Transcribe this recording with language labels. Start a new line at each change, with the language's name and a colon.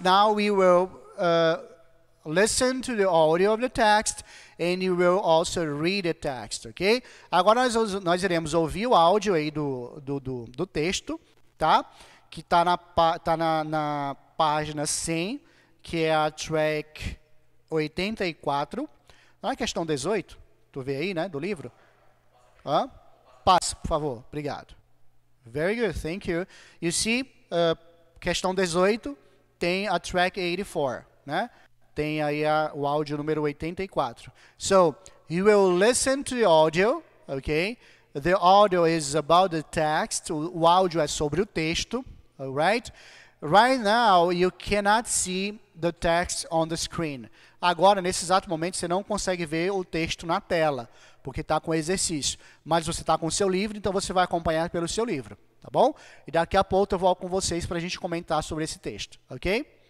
English: Now we will listen to the audio of the text, and you will also read the text, okay?
Portuguese: Agora nós iremos ouvir o áudio aí do texto, tá? Que tá na página 100, que é a track 84. Não é questão 18? Tu vê aí, né, do livro? Hã? Passa, por favor. Obrigado.
English: Very good, thank you. You see,
Portuguese: questão 18 tem a track 84, né? Tem aí o áudio número 84.
English: So, you will listen to the audio, okay? The audio is about the text.
Portuguese: O áudio é sobre o texto,
English: all right? Right now, you cannot see the text on the screen.
Portuguese: Agora, nesse exato momento, você não consegue ver o texto na tela, porque está com exercício. Mas você está com o seu livro, então você vai acompanhar pelo seu livro, tá bom? E daqui a pouco eu volto com vocês para a gente comentar sobre esse texto, ok?